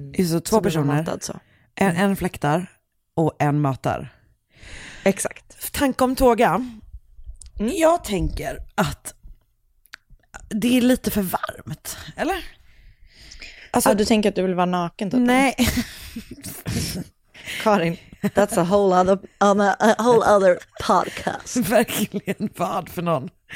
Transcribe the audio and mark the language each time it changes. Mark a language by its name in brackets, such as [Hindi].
[Swedish] så två personer. Matad, så. En fläktar och en matar. Exakt. Tanke om tåga. Jag tänker att det är lite för varmt. Eller? Alltså, du tänker att du vill vara naken? Då, nej. Karin. [English] That's a whole other on a whole other podcast. [Swedish] Verkligen vad för någon.